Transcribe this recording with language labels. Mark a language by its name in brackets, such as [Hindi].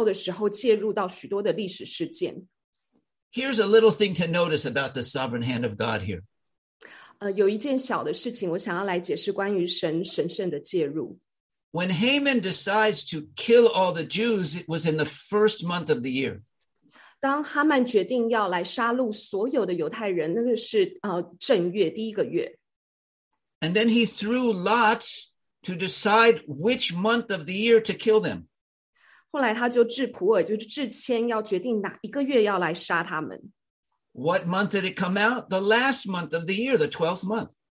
[Chinese] 所以这就是给我们一个教训，就是神的手会在我们不知道的时候介入到许多的历史事件。 [English] Here's a little thing to notice about the sovereign hand of God here. [Chinese] 有一件小的事情我想要来解释关于神圣的介入。 [English] When Haman decides to kill all the Jews, it was in the first month of the year. [Chinese] 当哈曼决定要来杀戮所有的犹太人，那个是正月第一个月。 [English] And then he threw lots to decide which month of the year to kill them. [Chinese] 后来他就掷普尔，就是掷签，要决定哪一个月要来杀他们。 [English] What month did it come out? The last month of the year, the 12th month.